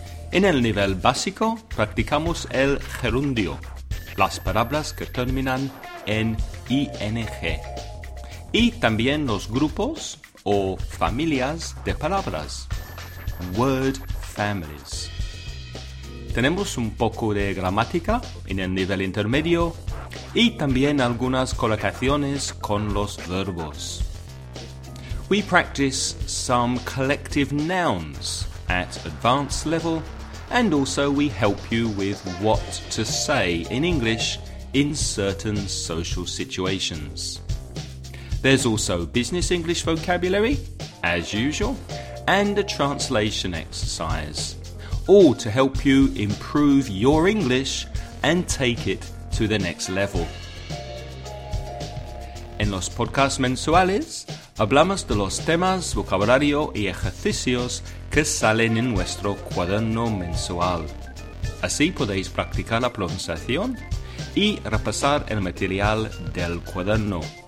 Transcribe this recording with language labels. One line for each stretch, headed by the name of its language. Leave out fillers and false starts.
Spanish: En el nivel básico, practicamos el gerundio, las palabras que terminan en ing, y también los grupos o familias de palabras, word families. Tenemos un poco de gramática en el nivel intermedio y también algunas colocaciones con los verbos.
English: We practice some collective nouns at advanced level, and also we help you with what to say in English in certain social situations. There's also business English vocabulary, as usual, and a translation exercise, all to help you improve your English and take it to the next level.
Spanish: En los podcasts mensuales, hablamos de los temas, vocabulario y ejercicios que salen en nuestro cuaderno mensual. Así podéis practicar la pronunciación y repasar el material del cuaderno.